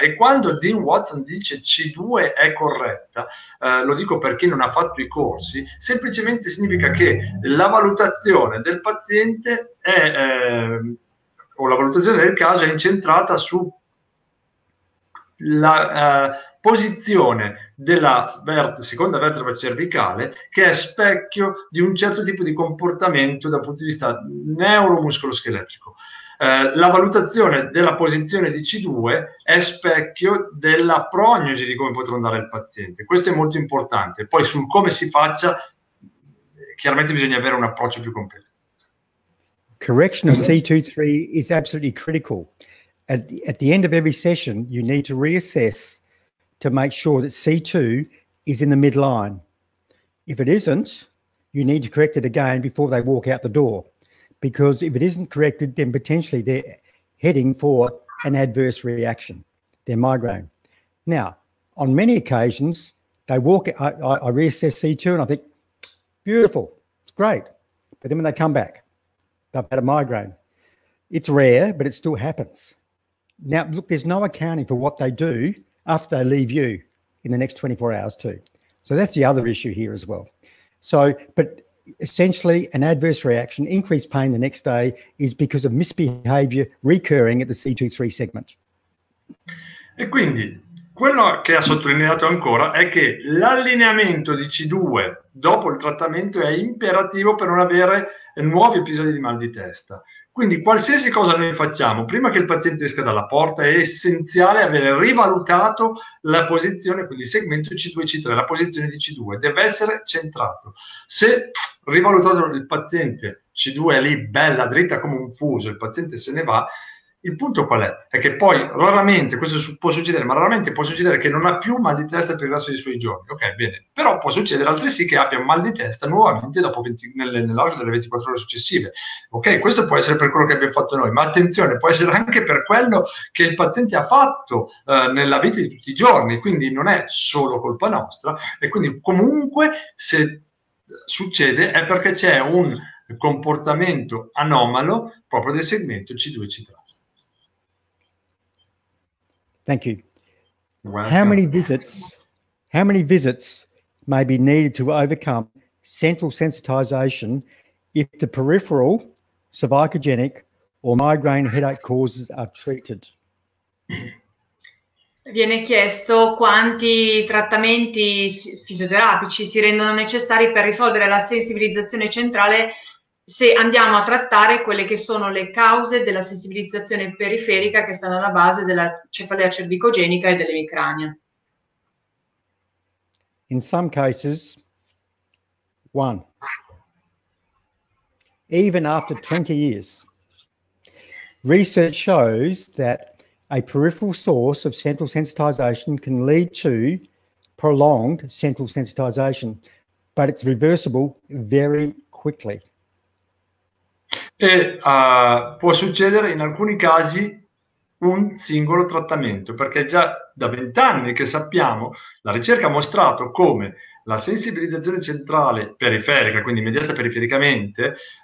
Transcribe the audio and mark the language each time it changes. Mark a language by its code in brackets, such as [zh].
[it] E quando Dean Watson dice C2 è corretta, lo dico per chi non ha fatto i corsi, semplicemente significa che la valutazione del paziente è, o la valutazione del caso è incentrata su la posizione della seconda vertebra cervicale, che è specchio di un certo tipo di comportamento dal punto di vista neuromuscoloscheletrico. La valutazione della posizione di C2 è specchio della prognosi di come potrà andare il paziente. Questo è molto importante. Poi sul come si faccia, chiaramente bisogna avere un approccio più completo. [en] Correction of C2-3 is absolutely critical. At the end of every session, you need to reassess to make sure that C2 is in the midline. If it isn't, you need to correct it again before they walk out the door. Because if it isn't corrected, then potentially they're heading for an adverse reaction, their migraine. Now, on many occasions, they walk, I reassess C2 and I think, beautiful, it's great. But then when they come back, they've had a migraine. It's rare, but it still happens. Now, look, there's no accounting for what they do after they leave you in the next 24 hours too. So that's the other issue here as well. So, but essentially, an adverse reaction, increased pain the next day, is because of misbehavior recurring at the C2-3 segment. [it] E quindi quello che ha sottolineato ancora è che l'allineamento di C2 dopo il trattamento è imperativo per non avere nuovi episodi di mal di testa. Quindi qualsiasi cosa noi facciamo, prima che il paziente esca dalla porta, è essenziale avere rivalutato la posizione, quindi il segmento C2-C3, la posizione di C2, deve essere centrato. Se rivalutato il paziente, C2 è lì, bella, dritta come un fuso, il paziente se ne va, Il punto qual è? È che poi raramente questo può succedere, ma raramente può succedere che non ha più mal di testa per il resto dei suoi giorni. Ok, bene. Però può succedere altresì che abbia mal di testa nuovamente dopo nell'orario delle 24 ore successive. Ok, questo può essere per quello che abbiamo fatto noi, ma attenzione, può essere anche per quello che il paziente ha fatto nella vita di tutti i giorni. Quindi non è solo colpa nostra. E quindi comunque se succede è perché c'è un comportamento anomalo proprio del segmento C2 C3. [en] Thank you. How many visits may be needed to overcome central sensitization if the peripheral, cervicogenic, or migraine headache causes are treated? [it] Viene chiesto quanti trattamenti fisioterapici si rendono necessari per risolvere la sensibilizzazione centrale se andiamo a trattare quelle che sono le cause della sensibilizzazione periferica che stanno alla base della cefalea cervicogenica e dell'emicrania. [en] In some cases, one, even after 20 years, research shows that a peripheral source of central sensitization can lead to prolonged central sensitization, but it's reversible very quickly. [it] E può succedere in alcuni casi un singolo trattamento, perché già da 20 anni che sappiamo, la ricerca ha mostrato come la sensibilizzazione centrale periferica, quindi mediata perifericamente,